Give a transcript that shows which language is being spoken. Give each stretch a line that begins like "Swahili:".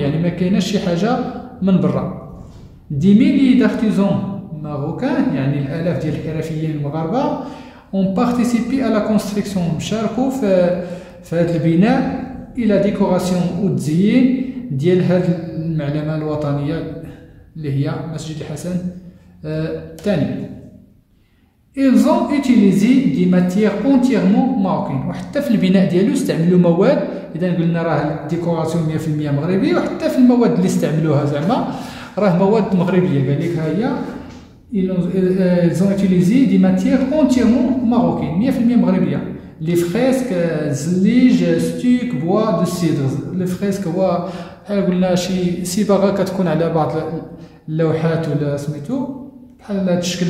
Arabic: يعني ما كايناش شي حاجة من برا.
French: دي ميلي دارتيزون ماروكان
Arabic: يعني الآلاف ديال الحرفيين المغاربة
French: ont participé à la construction
Arabic: مشاركوا في هذا البناء الى ديكوراسيون وتزيين ديال هذه المعلمه الوطنيه اللي هي مسجد الحسن الثاني.
French: Ils ont utilisé des matières entièrement marocaines.
Arabic: وحتى في البناء ديالو استعملوا مواد. اذا قلنا راه ديكوراسيون 100% مغربي. وحتى في المواد اللي استعملوها زعما راه مواد مغربيه بالك هي
French: ils ont utilisé des matières entièrement marocaines
Arabic: 100% مغربيه لي فريسك زليج ستوك
French: بوا دو سيدر
Arabic: لي فريسك هو قلنا شي صباغه كتكون على بعض اللوحات ولا سميتو بحال هذا الشكل.